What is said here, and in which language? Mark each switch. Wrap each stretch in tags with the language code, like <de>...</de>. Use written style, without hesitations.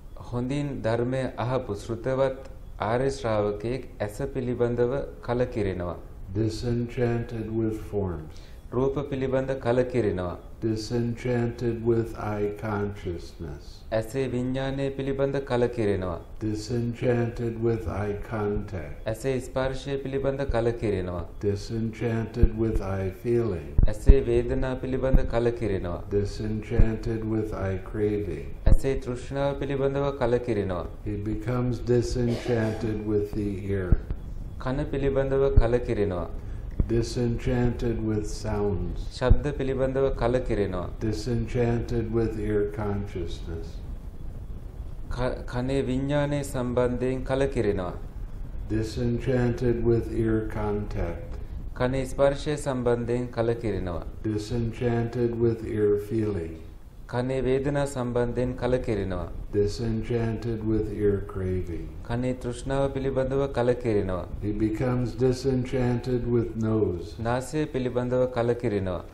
<si>හොඳින් ධර්මය අහපු ශ්‍රුතවත් ආර්ය ශ්‍රාවකෙක් ඇස පිළිබඳව කලකිරෙනවා.</si> <en>Disenchanted with forms.</en> <si>රූප පිළිබඳ කලකිරෙනවා.</si> <en>Disenchanted with eye consciousness.</en> <si>ඇසේ විඥානය පිළිබඳ කලකිරෙනවා.</si> <en>Disenchanted with eye contact.</en> <si>ඇසේ ස්පර්ශය පිළිබඳ කලකිරෙනවා.</si> <en>Disenchanted with eye feeling.</en> <si>ඇසේ වේදනා පිළිබඳ කලකිරෙනවා.</si> <en>Disenchanted with eye craving.</en> <si>ඇසේ තෘෂ්ණාව පිළිබඳව කලකිරෙනවා.</si> <en>He becomes disenchanted with the ear.</en> <si>කන පිළිබඳව කලකිරෙනවා.</si> <en>Disenchanted with sounds.</en> <si>ශබ්ද පිළිබඳව කලකිරෙනවා.</si> <en>Disenchanted with ear consciousness.</en> <si>කනේ විඥානයේ සම්බන්ධයෙන් කලකිරෙනවා.</si> <en>Disenchanted with ear contact.</en> <si>කනේ ස්පර්ශයේ සම්බන්ධයෙන් කලකිරෙනවා.</si> <en>Disenchanted with ear feeling.</en> <si>කනේ වේදනා සම්බන්ධයෙන් කලකිරෙනවා.</si> <en>Disenchanted with ear craving.</en> <si>කනේ තෘෂ්ණාව පිළිබඳව කලකිරෙනවා.</si> <en>He becomes disenchanted with nose.</en> <si>නාසය පිළිබඳව කලකිරෙනවා.</si>